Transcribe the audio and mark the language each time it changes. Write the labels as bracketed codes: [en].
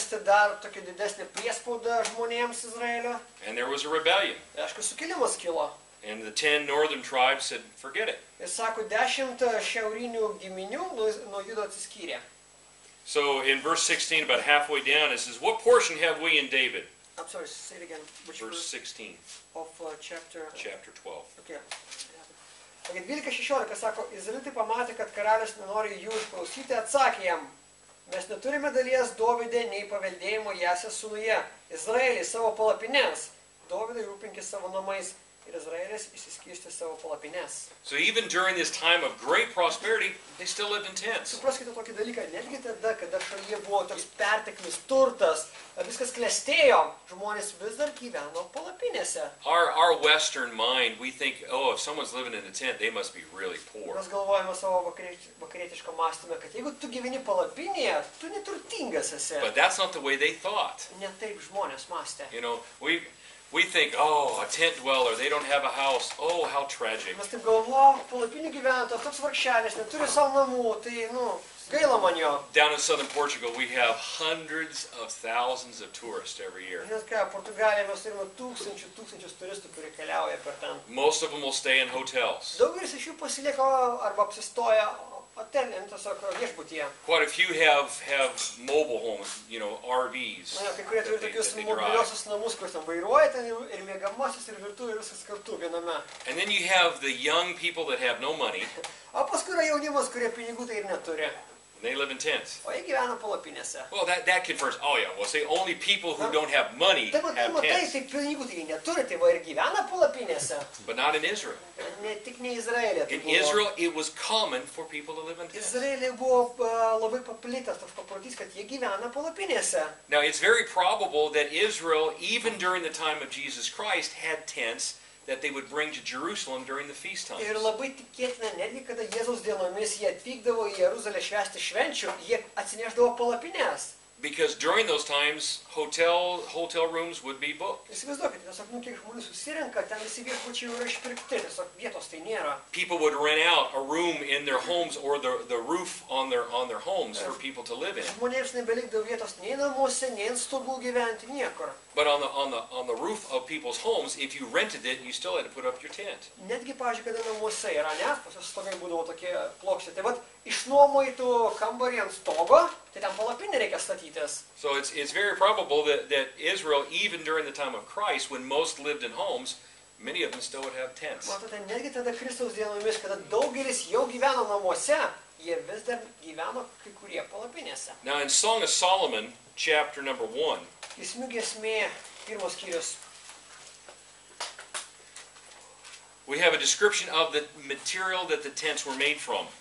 [lt] Jis bandė priversti dar tokį didesnį priespaudą žmonėms Izraelio. [en] And there was a rebellion. [lt] Aišku, sukilimas kilo. [en] And the 10 northern tribes said, forget it. [lt] Jis sako, 10 šiaurinių giminių nuo Judo atsiskyrė. [en] So in verse 16, about halfway down, it says, what portion have we in David? I'm sorry, say it again. Which verse 16. Of chapter? Chapter 12. Okay. [lt] 12-16 sako, Izraelitai pamatė, kad karalius nenori jų išklausyti, atsakė jam, mes neturime dalies Dovide nei paveldėjimo Jesės sūnuje. Izraelis savo palapinės, Dovidai rūpinkis savo namais. Ir Izraelis išsiskirstė savo palapines. [en] So even during this time of great prosperity, they still lived in tents. [lt] Supraskite tokį dalyką, netgi tada, kada šalyje buvo toks perteklis turtas, viskas klestėjo, žmonės vis dar gyveno palapinėse. [en] Our western mind, we think, oh, if someone's living in a tent, they must be really poor. [lt] Mes galvojame savo vakarietiško mąstymą, kad jeigu tu gyveni palapinėje, tu neturtingas esi. [en] But that's not the way they thought. [lt] Ne taip žmonės mąstė. [en] You know, we think, oh, a tent dweller, they don't have a house. Oh, how tragic. [lt] Mes taip galvojame, palapinių gyventojas, toks vargšelis, neturi savo namų, tai, nu, gaila man jo. [en] Down in southern Portugal, we have hundreds of thousands of tourists every year. [lt] Žinot ką, Portugalijoje mes turime tūkstančius turistų, kurie keliauja per ten. [en] Most of them will stay in hotels. [lt] Daugelis iš jų pasilieka arba apsistoja hotelyje, tiesiog viešbutyje. [en] Quite a few have mobile homes, you know, RVs. [lt] Na, kai kurie turi tokius mobiliosius namus, kur ten vairuoja ten ir mėgamasis, ir virtuvė, ir viskas kartu viename. [en] And then you have the young people that have no money. [lt] O paskui yra jaunimas, kurie pinigų tai ir neturi. [en] They live in tents. [lt] O jie gyvena palapinėse. [en] Well, that confirms, oh yeah, well, say only people who don't have money have tents. [lt] Tai pinigų tai neturi, tai va ir gyvena palapinėse. [en] But not in Israel. [lt] Ne tik ne Izraelyje. [en] In Israel, it was common for people to live in tents. [lt] Izraelyje buvo labai paplitęs toks paprotys, kad jie gyvena palapinėse. [en] Now, it's very probable that Israel, even during the time of Jesus Christ, had tents that they would bring to Jerusalem during the feast times. [lt] Ir labai tikėtina, netgi kada Jėzaus dienomis jie atvykdavo į Jeruzalę švęsti švenčių, jie atsineždavo palapines. [en] Because during those times, hotel rooms would be booked. [lt] Įsivaizduokite, tiesiog, nu, kiek žmonių susirenka, ten visi viešbučiai yra išpirkti, tiesiog vietos tai nėra. [en] People would rent out a room in their homes or the roof on their homes for people to live in. [lt] Žmonėms nebelikdavo vietos nei namuose, nei ant stogų gyventi, niekur. [en] But on the roof of people's homes, if you rented it, you still had to put up your tent. [lt] Netgi, pavyzdžiui, kada namuose yra, ne, pas jos stogai būdavo tokie plokštė, tai vat, išnuomojtų kambarį ant stogo, tai ten palapinė reikia statytis. [en] So it's very probable that Israel, even during the time of Christ, when most lived in homes, many of them still would have tents. [lt] Matote, netgi tada Kristaus dienomis, kada daugelis jau gyveno namuose, jie vis dar gyveno kai kurie palapinėse. [en] Now in Song of Solomon, chapter number 1. [lt] Giesmių giesmėje, pirmos skyrius. [en] We have a description of the material that the tents were made from.